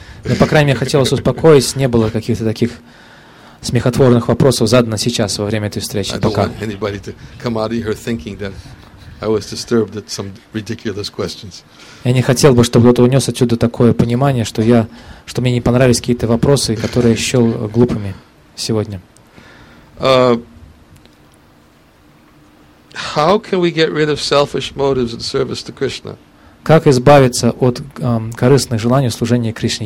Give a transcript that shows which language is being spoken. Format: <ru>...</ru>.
<ru>Но, по крайней мере, хотелось успокоить, не было каких-то таких смехотворных вопросов задано сейчас во время этой встречи.</ru> <en>I don't want anybody to come out of here thinking that I was disturbed at some ridiculous questions.</en> <ru>Я не хотел бы, чтобы кто-то унес отсюда такое понимание, что мне не понравились какие-то вопросы, которые я счел глупыми сегодня.</ru> <en>How can we get rid of selfish motives in service to Krishna?</en> <ru>Как избавиться от корыстных желаний в служении Кришне?</ru>